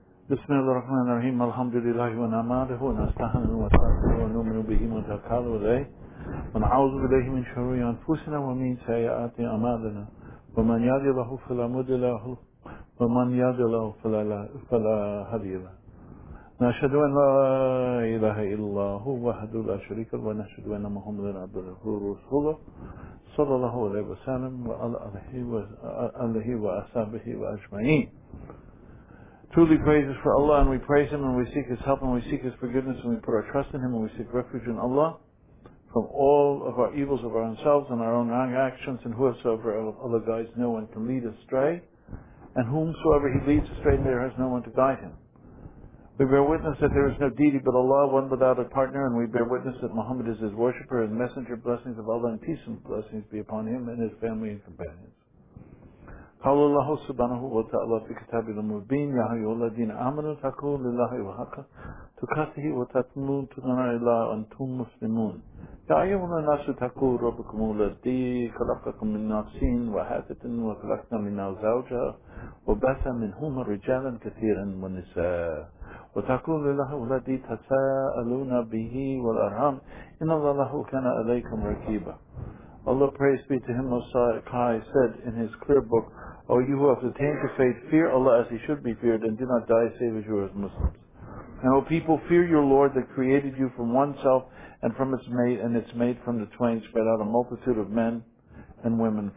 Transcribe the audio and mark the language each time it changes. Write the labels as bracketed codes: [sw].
[ar] بسم الله الرحمن الرحيم الحمد لله ونعمه ونستعينه ونستغفره ونؤمن به ونتوكل عليه ونعوذ بالله من شرور انفسنا ومن سيئات اعمالنا ومن يهد الله فلا مضل له ومن يضلل فلا هادي له نشهد ان لا اله الا الله وحده لا شريك له ونشهد ان محمدا عبده ورسوله صلى الله عليه وسلم وعلى اله وصحبه اجمعين. [en] Truly praises for Allah, and we praise Him, and we seek His help, and we seek His forgiveness, and we put our trust in Him, and we seek refuge in Allah from all of our evils of ourselves and our own wrong actions, and whosoever Allah guides, no one can lead astray, and whomsoever He leads astray, there is no one to guide him. We bear witness that there is no deity but Allah, one without a partner, and we bear witness that Muhammad is His worshipper and messenger. Blessings of Allah and peace and blessings be upon him and his family and companions. [ar] قال الله سبحانه وتعالى في كتابه المبين يا أيها الذين آمنوا اتقوا لله وحق تقاته وتموتن تنا إلا أنتم مسلمون يا أيها الناس اتقوا ربكم الذي خلقكم من نفس واحدة وخلقنا منها زوجها وبث منهما رجالا كثيرا ونساء اتقوا لله الذي تساءلون به والأرحام إن الله كان عليكم رقيبا. [en] Allah, praise be to Him, Most High, said in His clear book, O you who have attained to faith, fear Allah as He should be feared, and do not die save as you are as Muslims. And O people, fear your Lord that created you from one self and from its mate, and its mate from the twain spread out a multitude of men and women.